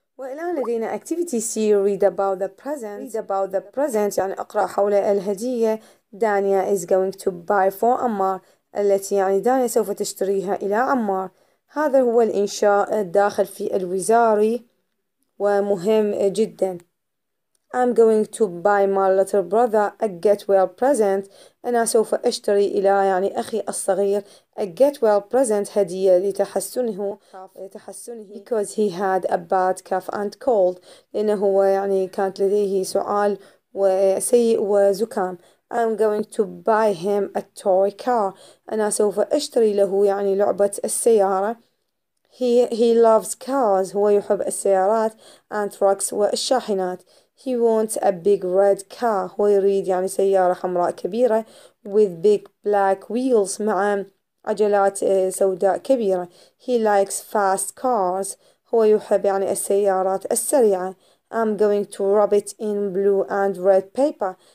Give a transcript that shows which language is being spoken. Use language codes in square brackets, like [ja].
[ar] والآن لدينا [en] activity C read about the present [ar] يعني أقرأ حول الهدية. دانيا [en] is going to buy for [ar] عمار التي يعني دانيا سوف تشتريها إلى عمار. هذا هو الإنشاء الداخل في الوزاري ومهم جدا. [en] I'm going to buy my little brother a get well present. [ar] أنا سوف أشتري إلى يعني أخي الصغير [en] a get well present [ar] هدية لتحسنه [en] because he had a bad cough and cold. [ar] لأنه هو يعني كانت لديه سعال وسيء وزكام. [en] I'm going to buy him a toy car. [ar] أنا سوف أشتري له يعني لعبة السيارة. [en] He loves cars. [ar] هو يحب السيارات [en] and trucks [ar] والشاحنات. [en] He wants a big red car. [ar] هو يريد يعني سيارة حمراء كبيرة [en] with big black wheels [ar] مع عجلات سوداء كبيرة. [en] He likes fast cars. [ar] هو يحب يعني السيارات السريعة. [en] I'm going to wrap it in blue and red paper.